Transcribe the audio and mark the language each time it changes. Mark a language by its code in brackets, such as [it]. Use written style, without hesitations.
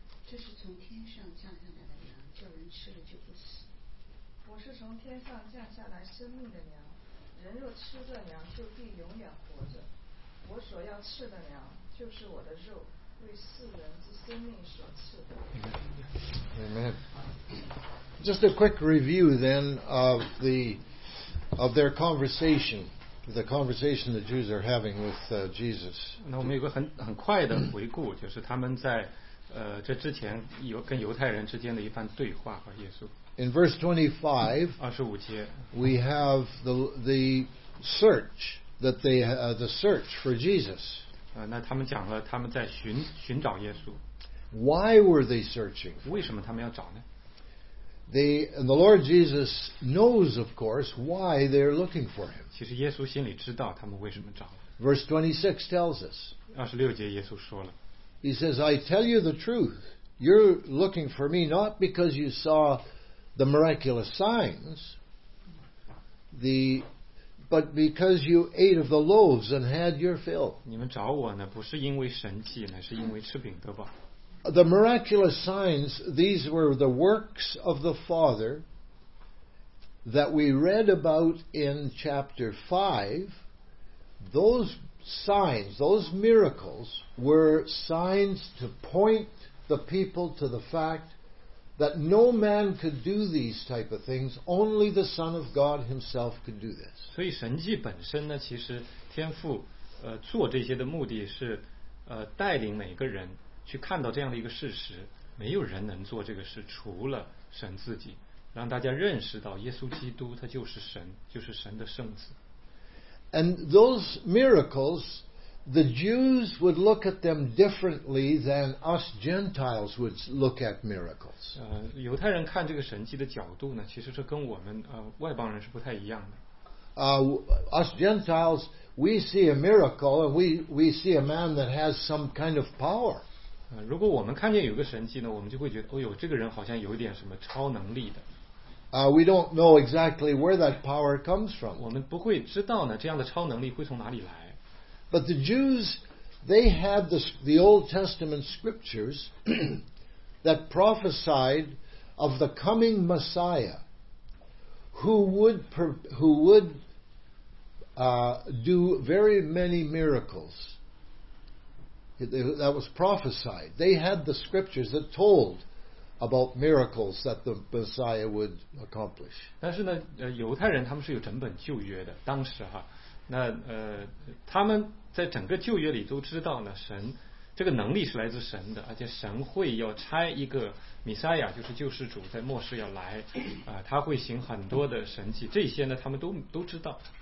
[zh] 这是从天上降下来的粮，叫人吃了就不死。我是从天上降下来生命的粮，人若吃这粮，就必永远活着。我所要吃的粮，就是我的肉，为世人之生命所赐的。 [en] Amen. Just a quick review then of their conversation, the conversation the Jews are having with Jesus. [zh] 那我们有个很快的回顾，就是他们在这之前跟犹太人之间的一番对话和耶稣。 [en] In verse 25, [zh] 25节 [en] we have the search for Jesus. [zh] 那他们讲了他们在寻找耶稣。 [en] Why were they searching? [zh] 为什么他们要找呢？ [en] The Lord Jesus knows, of course, why they are looking for him. [zh] 其实耶稣心里知道他们为什么找。 [en] Verse 26 tells us. [zh] 26节耶稣说了。 [en] He says, I tell you the truth. You're looking for me not because you saw the miraculous signs, but because you ate of the loaves and had your fill. [zh] 你们找我呢，不是因为神迹，乃是因为吃饼得饱。 [en] The miraculous signs, these were the works of the Father that we read about in chapter 5. Those signs, those miracles, were signs to point the people to the fact that no man could do these type of things, only the Son of God himself could do this. [zh] 所以神迹本身呢，其实天父做这些的目的是带领每个人去看到这样的一个事实，没有人能做这个事，除了神自己，让大家认识到耶稣基督他就是神，就是神的圣子。 [en] And those miracles, the Jews would look at them differently than us Gentiles would look at miracles. [zh] 犹太人看这个神迹的角度呢，其实是跟我们外邦人是不太一样的。 [en] Us Gentiles, we see a miracle and we see a man that has some kind of power. [zh] 如果我们看见有个神迹呢，我们就会觉得，哦呦，这个人好像有点什么超能力的。 [en] We don't know exactly where that power comes from. [zh] 我们不会知道呢，这样的超能力会从哪里来。 [en] But the Jews, they had the Old Testament scriptures that prophesied of the coming Messiah, who would do very many miracles. That was prophesied. They had the scriptures that told about miracles that the Messiah would accomplish. [zh] 但是呢，犹太人他们是有整本旧约的。当时哈，那他们在整个旧约里都知道呢，神这个能力是来自神的，而且神会要差一个弥赛亚，就是救世主，在末世要来，他会行很多的神迹。这些呢，他们都知道。